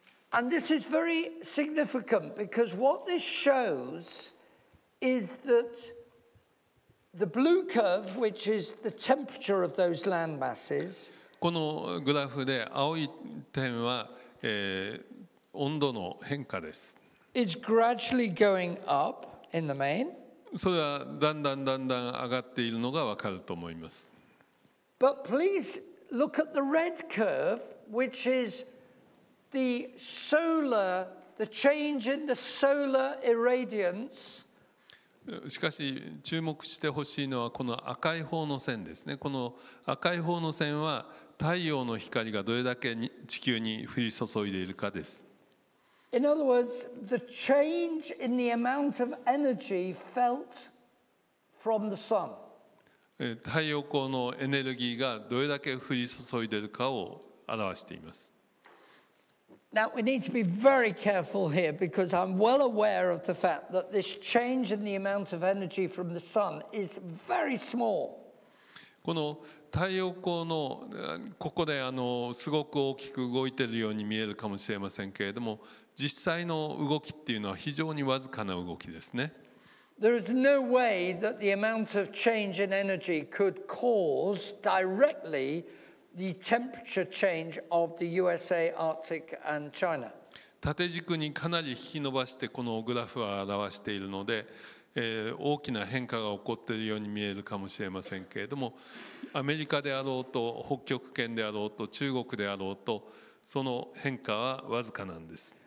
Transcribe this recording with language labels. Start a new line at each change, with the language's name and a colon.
English: And this is very significant because what this shows is thatThe blue curve, which is the temperature of those land masses.
Japanese: このグラフで青い点は、温度の変化です。
English: It's gradually going up in the main.
Japanese: それはだんだんだんだん上がっているのが分かると思います。
English: But please look at the red curve, which is the solar, the change in the solar irradiance.
Japanese: しかし注目してほしいのはこの赤い方の線ですね。この赤い方の線は太陽の光がどれだけ地球に降り注いでいるかです。
English: In other words, the change in the amount of energy felt from the sun.
Japanese: 太陽光のエネルギーがどれだけ降り注いでいるかを表しています。
English: Now we need to be very careful here because I'm well aware of the fact that this change in the amount of energy from the sun is very small.
Japanese: この太陽光のここですごく大きく動いているように見えるかもしれませんけれども、実際の動きっていうのは非常にわずかな動きですね。
English: There is no way that the amount of change in energy could cause directly the temperature change of the USA, Arctic, and China.
Japanese: 縦軸にかなり引き伸ばしてこのグラフは表しているので、大きな変化が起こっているように見えるかもしれませんけれども、アメリカであろうと北極圏であろうと中国であろうとその変化はわずかなんです。